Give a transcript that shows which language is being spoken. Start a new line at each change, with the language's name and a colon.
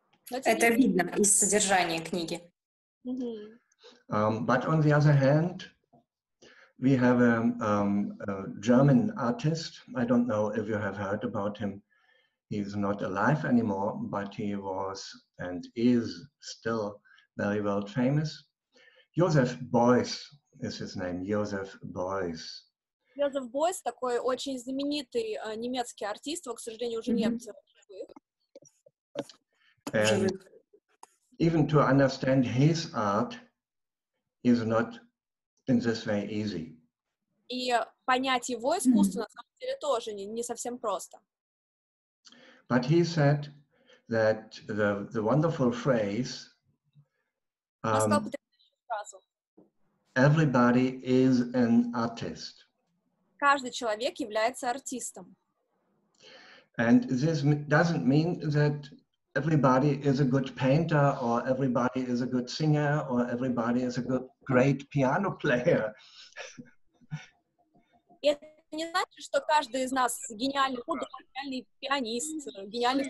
Russian: Это видно из содержания книги.
English: But on the other hand, we have a German artist. I don't know if you have heard about him. He's not alive anymore, but he was and is still very world famous. Josef Beuys is his name. Josef Beuys.
Russian: Josef Beuys, такой очень знаменитый немецкий артист, но, к сожалению, уже немцы.
English: And even to understand his art is not in this way easy.
Russian: И понять его искусство, на самом деле, тоже не совсем просто.
English: But he said that the wonderful phrase everybody is an artist.
Russian: Каждый человек является артистом.
English: And this doesn't mean that everybody is a good painter, or everybody is a good singer, or everybody is a good great piano player.
Russian: Это не значит, что каждый из нас гениальный художник, гениальный пианист, гениальный